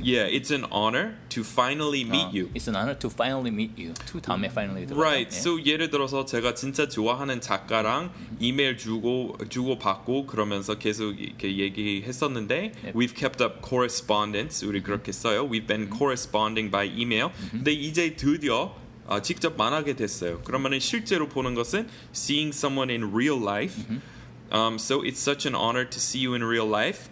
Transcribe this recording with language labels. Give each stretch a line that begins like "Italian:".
English: Yeah, it's an honor to finally meet you. It's an honor to finally meet you.
Korean: 두 다음에
English: finally
Korean: 들어가요.
English: Right.
Korean: 네.
English: So
Korean: 예를 들어서 제가 진짜 좋아하는 작가랑 이메일 주고 받고 그러면서 계속 이렇게 얘기했었는데 yep.
English: We've kept up correspondence.
Korean: 우리 그렇게 써요.
English: We've been corresponding by email.
Korean: 근데 이제 드디어 직접 만나게 됐어요. 그러면은 실제로 보는 것은
English: seeing someone in real life. So it's such an honor to see you in real life.